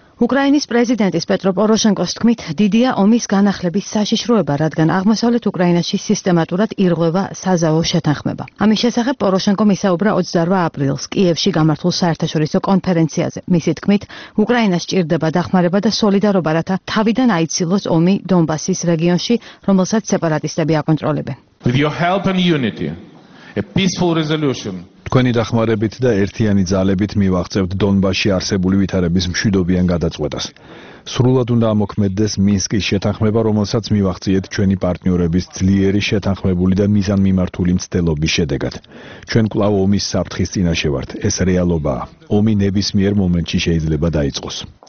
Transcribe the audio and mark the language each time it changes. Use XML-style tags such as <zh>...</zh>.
<ka>უკრაინის პრეზიდენტის პეტრო პოროშენკოს თქმით, დიდია ომის განახლების საშიშროება, რადგან აღმოსავლეთ უკრაინაში სისტემატურად ირღვევა საზავო შეთანხმება. ამის შესახებ პოროშენკო მისაუბრა 28 აპრილს კიევში გამართულ საერთაშორისო კონფერენციაზე. მისი თქმით, უკრაინას სჭირდება დახმარება და სოლიდარობა, რათა თავიდან აიცილოს ომი დონბასის რეგიონში, რომელსაც სეპარატისტები აკონტროლებენ.</ka> <en>With your help and unity, a peaceful resolution.</en> <ka>თქვენი დახმარებით და ერთიანი ძალებით მივაღწევთ დონბასში არსებული ვითარების მშვიდობიან გადაწყვეტას. სრულად უნდა ამოქმედდეს მინსკის შეთანხმება, რომელსაც მივაღწიეთ ჩვენი პარტნიორების ძლიერი შეთანხმებული და მიზანმიმართული მცდელობის შედეგად. ჩვენ კვლავ ომის საფრთხის წინაშე ვართ. ეს რეალობაა. ომი ნებისმიერ მომენტში შეიძლება დაიწყოს.</ka>